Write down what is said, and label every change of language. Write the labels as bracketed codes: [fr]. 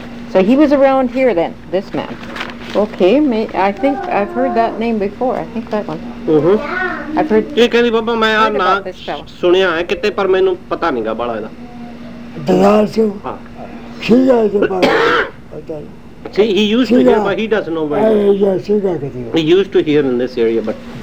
[en] So he was around here then, this man. Okay, I think I've heard that name before. I think that one. Mm-hmm. I've heard. [pa] ਇਹ ਕਹਿੰਦੀ ਬਾਬਾ ਮੈਂ ਆ ਨਾ ਸੁਣਿਆ ਹੈ ਕਿਤੇ ਪਰ ਮੈਨੂੰ ਪਤਾ ਨਹੀਂਗਾ ਬੜਾ ਇਹਦਾ. ਦਰਾਰ ਸਿੰਘ. ਹਾਂ. ਕੀ ਹੈ ਜੀ ਬਾਬਾ? ਅੱਛਾ. [en] See, he used to hear, but he doesn't know where he used to hear in this area, but...